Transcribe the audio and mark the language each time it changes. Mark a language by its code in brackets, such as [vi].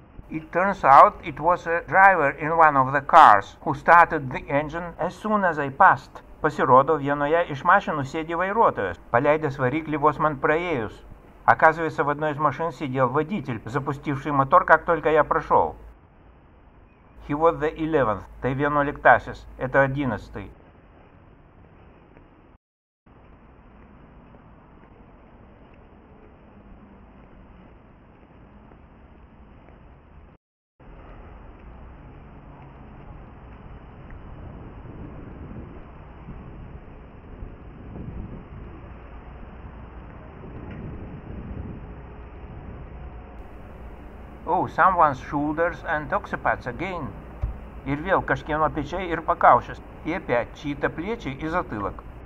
[en] It turns out it was a driver in one of the cars who started the engine as soon as I passed. [lt] Pasirodo, vienoje iš mašinų sėdi vairuotojas, paleidęs variklį vos man praėjus. [ru] Оказывается, в одной из машин сидел водитель, запустивший мотор, как только я прошел. [en] He was the 11th, [lt] tai 11-asis, [ru] это 11-й. [en] Oh, someone's shoulders and occipats again. [lt] Ir vėl kažkieno pečiai ir pakaušis. Ir [ru] опять чьи-то плечи и затылок.